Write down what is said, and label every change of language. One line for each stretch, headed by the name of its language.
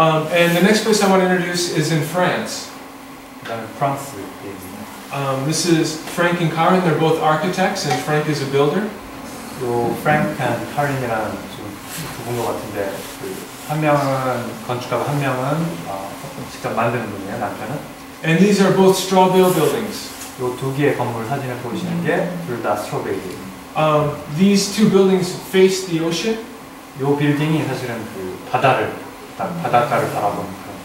English: And the next place I want to introduce is in France.
Korean: 나는 프랑스에 있는.
English: This is Frank and Karin. They're both architects, and Frank is a builder.
Korean: 또 Frank and Karin이라는 좀 두 분 것 같은데, 그 한 명은 건축가고 한 명은 직접 만드는 분이에요, 남편은.
English: And these are both straw-bale buildings.
Korean: 이 두 개의 건물 사진을 보시는 게 둘 다 스트로베일이에요.
English: These two buildings face the ocean.
Korean: 이 빌딩이 사실은 그 바다를 딱 바닷가를 바라보는 그런.